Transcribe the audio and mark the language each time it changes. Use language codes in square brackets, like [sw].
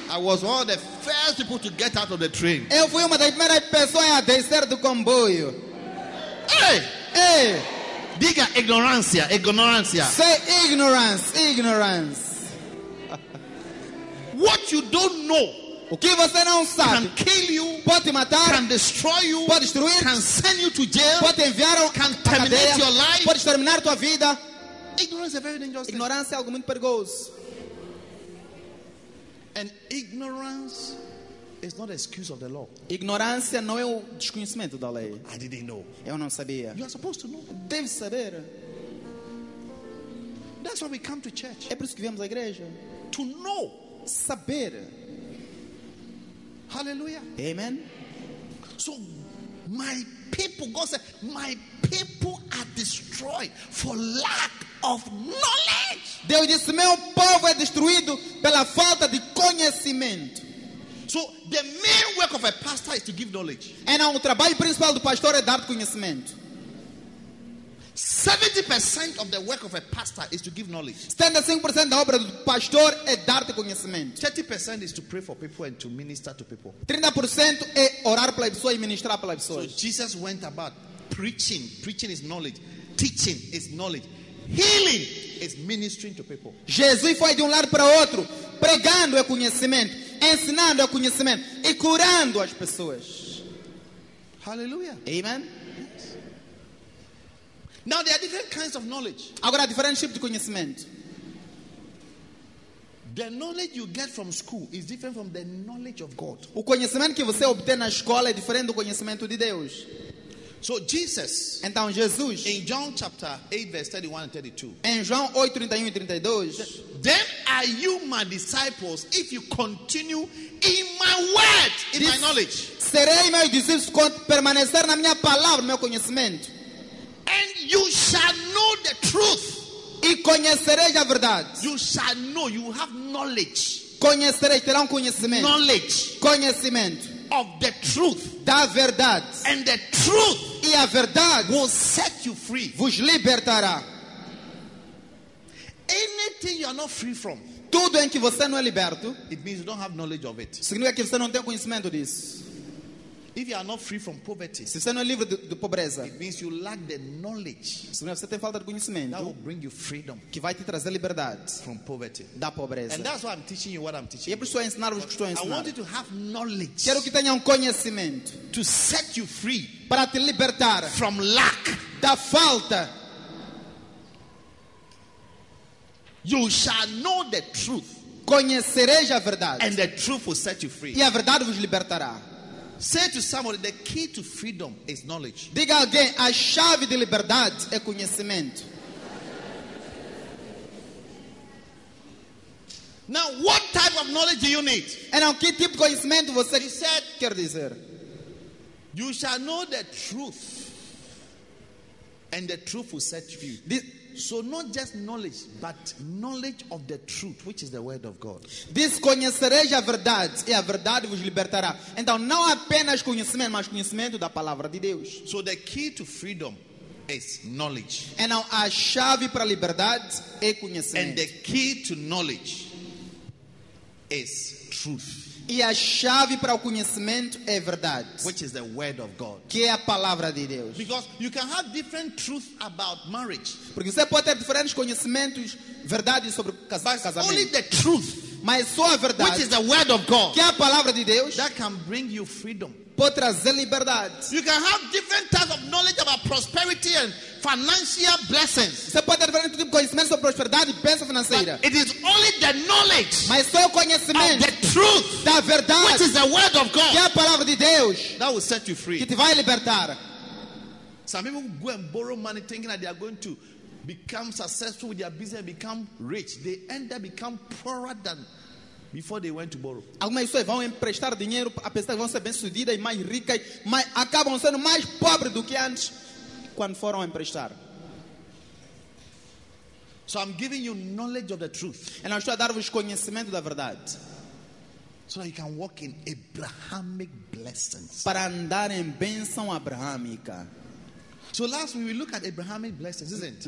[en] I was one of the first people to get out of the train. [pt] Eu fui uma das primeiras pessoas a descer do comboio. [en] Hey! Hey! [pt] Diga ignorância, ignorância. [en] Say ignorance, ignorance. What you don't know. [pt] O que você não sabe [en] can kill you, [pt] pode matar, [en] can destroy you, [pt] pode destruir, [en] can send you to jail, [pt] pode enviar a cadeia, [en] your life, [pt] pode exterminar tua vida. [en] Ignorance is very dangerous. [pt] Ignorância é algo muito perigoso. [en] And ignorance is not an excuse of the law. [pt] Ignorância não é o desconhecimento da lei. [en] I didn't know. [pt] Eu não sabia. [en] You are supposed to know. [pt] Deve saber. [en] That's why we come to church. [pt] É por isso que viemos à igreja. [en] To know. [pt] Saber. [en] Hallelujah. Amen. So my people, God said, my people are destroyed for lack of knowledge. [pt] Deus disse, meu povo é destruído pela falta de conhecimento. [en] So the main work of a pastor is to give knowledge. [pt] Então o trabalho principal do pastor é dar conhecimento. [en] 70% of the work of a pastor is to give knowledge. [pt] 75% da obra do pastor é dar conhecimento. [en] 30% is to pray for people and to minister to people. [pt] 30% é orar pela pessoa e ministrar pela pessoa. [en] So Jesus went about preaching. Preaching is knowledge. Teaching is knowledge. Healing is ministering to people. [pt] Jesus foi de lado para outro, pregando é conhecimento, ensinando é conhecimento e curando as pessoas. [en] Hallelujah. Amen. Now there are different kinds of knowledge. [pt] Agora há diferentes tipos de conhecimento. [en] The knowledge you get from school is different from the knowledge of God. [pt] O conhecimento que você obtém na escola é diferente do conhecimento de Deus. [en] So Jesus, [pt] então Jesus, [en] in John chapter 8 verse 31 and 32. [pt] Em João 8, 31 e 32. [en] Then are you my disciples if you continue in my word, in my knowledge. [pt] Serei meu discípulo quando permanecer na minha palavra, meu conhecimento. [en] And you shall know the truth. [pt] E conhecereis a verdade. [en] You shall know. You have knowledge. [pt] Conhecereis, terão conhecimento. [en] Knowledge. [pt] Conhecimento. [en] Of the truth. [pt] Da verdade. [en] And the truth. [pt] E a verdade. [en] Will set you free. [pt] Vos libertará. [en] Anything you are not free from. [pt] Tudo em que você não é liberto. [en] It means you don't have knowledge of it. [pt] Significa que você não tem conhecimento disso. [en] If you are not free from poverty, [pt] se você não é livre de pobreza, [en] it means you lack the knowledge. [pt] Significa que você tem falta de conhecimento. [en] That will bring you freedom. [pt] Que vai te trazer liberdade [en] from poverty. [pt] Da pobreza. [en] And that's why I'm teaching you what I'm teaching. [pt] E é por isso que ensinar vos que estou a ensinar. [en] I want you to have knowledge. [pt] Quero que tenha conhecimento [en] to set you free. [pt] Para te libertar [en] from lack. [pt] Da falta. [en] You shall know the truth. [pt] Conhecereis a verdade. [en] And the truth will set you free. [pt] E a verdade vos libertará. [en] Say to somebody, the key to freedom is knowledge. [pt] Diga alguém, a chave de liberdade é conhecimento. [en] Now, what type of knowledge do you need? [pt] And que tipo de conhecimento você [en] said, [pt] quer dizer? [en] You shall know the truth. And the truth will set you free. So not just knowledge, but knowledge of the truth, which is the word of God. [pt] Diz, conhecereis a verdade, e a verdade vos libertará. Então, não apenas conhecimento, mas conhecimento da palavra de Deus. [en] So the key to freedom is knowledge. [pt] Então, a chave para a liberdade é conhecimento. [en] And the key to knowledge is truth. [pt] E a chave para o conhecimento é verdade, [en] which is the word of God, [pt] que é a palavra de Deus. [en] Because you can have different truth about marriage. [pt] Porque você pode ter diferentes conhecimentos, verdades sobre casamento. [en] Only the truth, [pt] mas só a verdade, [en] which is the word of God, [pt] que é a palavra de Deus, [en] that can bring you freedom, [pt] pode trazer liberdade. [en] You can have different types of knowledge about prosperity and financial blessings. [pt] Você pode ter diferentes tipos de conhecimento sobre prosperidade e bênção financeira. [en] It is only the knowledge, [pt] mas só o conhecimento, [en] the truth, [pt] da verdade, [en] which is the word of God, [pt] que é a palavra de Deus, [en] that will set you free, [pt] que te vai libertar. [en] Some people go and borrow money thinking that they are going to become successful with their business and become rich. They end up become poorer than before they went to borrow. [pt] Algumas pessoas vão emprestar dinheiro a pessoas que vão ser bem sucedidas e mais ricas, mas acabam sendo mais pobres do que antes quando foram emprestar. [en] So I'm giving you knowledge of the truth. [pt] And estou a dar-vos conhecimento da verdade. [en] So that you can walk in Abrahamic blessings. [pt] Para andar em bênção abrahâmica. [en] So last week we look at Abrahamic blessings, isn't it?